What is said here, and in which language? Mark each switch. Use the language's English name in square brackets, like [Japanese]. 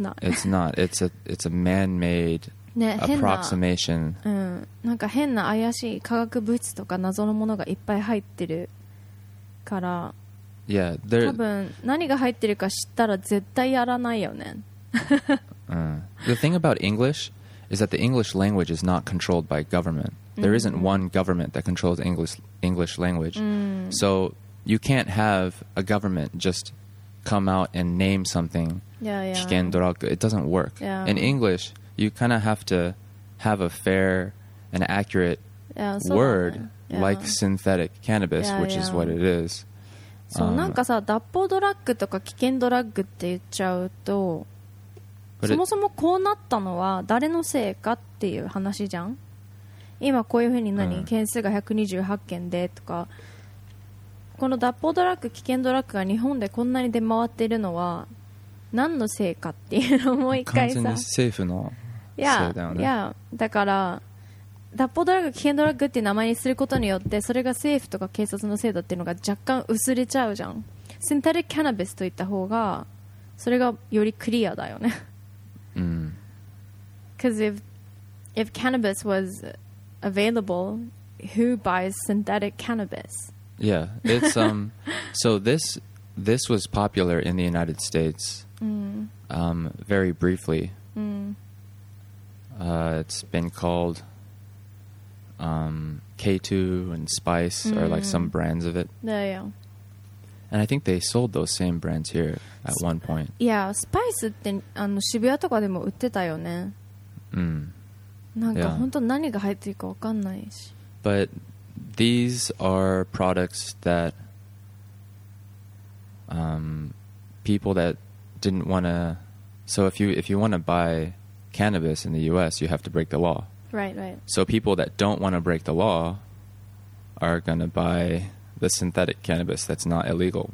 [English] not. It's not. It's a man-made. [Japanese] ね、 [English] approximation、 [Japanese] うん、なんか変な怪しい化学物質とか謎のものがいっぱい入ってるから、 [English] yeah, [Japanese] 多分何が入ってるか知ったら絶対やらないよね。 [English] うん、the thing about English is that the English language is not controlled by government. There isn't one government that controls English language.、 [Japanese] うん、 [English] so you can't have a government just come out and name something yeah, yeah. 危険ドラッグ It doesn't work.、 Yeah. In English,You kind of have to have a fair and accurate yeah, word、ね yeah. like synthetic cannabis, yeah, which yeah. is what it is. [Japanese] そう、なんかさ、脱法ドラッグとか危険ドラッグって言っちゃうと、そもそもこうなったのは誰のせいかっていう話じゃん。今こういうふうに何、件数が128件でとか、この脱法ドラッグ、危険ドラッグが日本でこんなに出回ってるのは、何のせいかっていうのをもう一回さ完全に政府のせいだよね。いや、だから脱法ドラッグ危険ドラッグっていう名前にすることによってそれが政府とか警察のせいだっていうのが若干薄れちゃうじゃん。センタルキャナビスといった方がそれがよりクリアだよね。うん。 [English] Because if cannabis was available, who buys synthetic cannabis? Yeah, it's so this was popular in the United States. Very briefly、mm. It's been called K2 and Spice、mm. or like some brands of it yeah, yeah. And I think they sold those same brands here at one point [Japanese] Yeah, Spice ってあの渋谷とかでも売ってたよね、 mm. なんか本当何が入ってるか分かんないし [English] But these are products that、people thatdidn't want to so if you want to buy cannabis in the US you have to break the law right so people that don't want to break the law are going to buy the synthetic cannabis that's not illegal、